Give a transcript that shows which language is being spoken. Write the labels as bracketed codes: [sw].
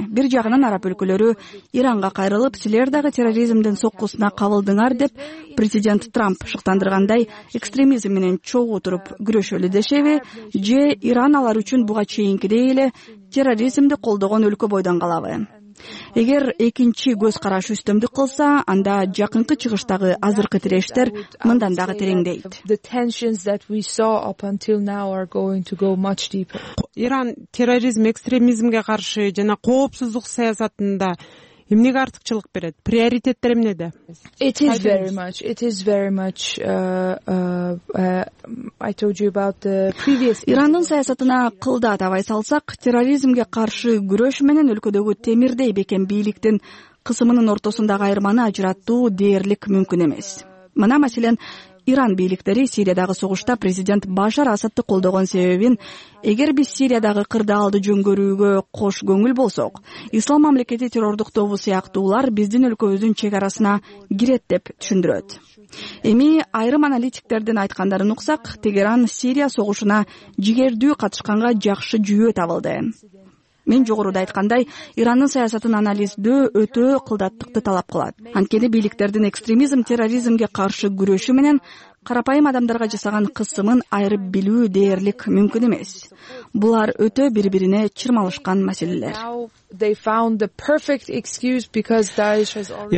[ky] Бир жагынан араб өлкөлөрү Иранга кайрылып, силер дагы терроризмдин соккусуна кабылдыңар деп президент Трамп шыктандыргандай, экстремизм менен чогуу туруп күрөшөлү дешеби же Иран алар үчүн буга чейинкидей эле терроризмди колдогон өлкө бойдон калабы? Эгер экинчи көз караш үстөмдүк кылса, анда жакынкы чыгыштагы азыркы тирештер мындан дагы тереңдейт. [en] The tensions that we saw up until now are going to go much deeper. [ky] Иран терроризм, экстремизмге каршы жана коопсуздук саясатында эмнеге артыкчылык берет? Приоритеттер эмнеде? [en] It is very much. It is very much. I told you about the previous. [ky] Ирандын саясатына кылда давай салсак, терроризмге каршы күрөш менен өлкөдөгү темирдей бекем бийликтин кысымынын ортосундагы айырманы ажыратуу дээрлик мүмкүн эмес. Мына маселен, Иран бийликтери Сириядагы согушта президент Башар Асадды колдогон себебин, эгер биз Сириядагы кырдаалды жөн көрүүгө кош көңүл болсок, Ислам мамлекети террордук тобу сыяктуулар биздин өлкөбүздүн чек арасына кирет деп түшүндүрөт. Эми айрым аналитиктердин айткандарын уксак, Тегеран Сирия согушуна жигердүү катышканга жакшы жүйөт абылды. Мен жогоруда айткандай, Ирандын саясатын анализдөө өтө кылдаттыкты талап кылат. Анткени бийликтердин экстремизм, терроризмге каршы күрөшү менен карапайым адамдарга жасаган кысымын айырып билүү дээрлик мүмкүн эмес. Булар өтө бири-бирине чырмалышкан маселелер. [en] They found the perfect excuse because Daesh has already...